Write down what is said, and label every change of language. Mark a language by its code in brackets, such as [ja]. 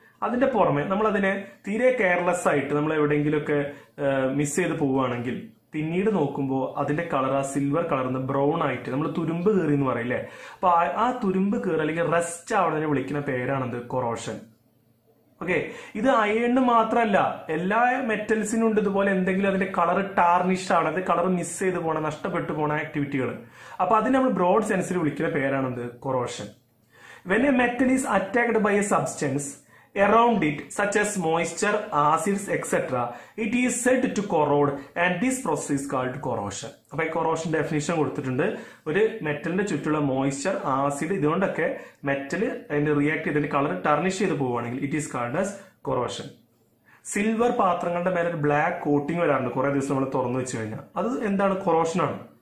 [ml] അതിന്റെ പുറമെ നമ്മളതിനെ തീരെ കെയർലെസ് ആയിട്ട് നമ്മൾ എവിടെയെങ്കിലുമൊക്കെ മിസ് ചെയ്ത് പോവുകയാണെങ്കിൽ പിന്നീട് നോക്കുമ്പോൾ അതിന്റെ കളർ ആ സിൽവർ കളറിന്ന് ബ്രൗൺ ആയിട്ട് നമ്മൾ തുരുമ്പ് കീറി എന്ന് പറയില്ലേ, അപ്പൊ ആ തുരുമ്പ് കീറി അല്ലെങ്കിൽ റസ്റ്റ് ആവണതിനെ വിളിക്കുന്ന പേരാണെന്ത്, കൊറോഷൻ. ഓക്കെ, ഇത് അയണിന് മാത്രമല്ല, എല്ലാ മെറ്റൽസിനും ഉണ്ട് ഇതുപോലെ എന്തെങ്കിലും അതിന്റെ കളർ ടാർണിഷ് ആണ്, അത് കളർ മിസ് ചെയ്ത് പോണ, നഷ്ടപ്പെട്ടു പോണ ആക്ടിവിറ്റികൾ. അപ്പൊ അതിനെ നമ്മൾ ബ്രോഡ് സെൻസിൽ വിളിക്കുന്ന പേരാണെന്ത്, corrosion. [en] When a metal is attacked by a substance Around it, such as moisture, acids, etc., it is said to corrode and this process is called corrosion. [ml] അപ്പൊ ഈ കൊറോഷൻ ഡെഫിനേഷൻ കൊടുത്തിട്ടുണ്ട്, ഒരു മെറ്റലിന്റെ ചുറ്റുള്ള മോയ്സ്ചർ, ആസിഡ്, ഇതുകൊണ്ടൊക്കെ മെറ്റൽ അതിന്റെ react ചെയ്ത് colour tarnish ചെയ്ത് പോവുകയാണെങ്കിൽ [en] It is called as corrosion. [ml] Silver പാത്രങ്ങളുടെ മേലെ ഒരു ബ്ലാക്ക് കോട്ടിങ് വരാറുണ്ട് കുറെ ദിവസം നമ്മൾ തുറന്നു വെച്ച് കഴിഞ്ഞാൽ, അത് എന്താണ്, കൊറോഷനാണ്.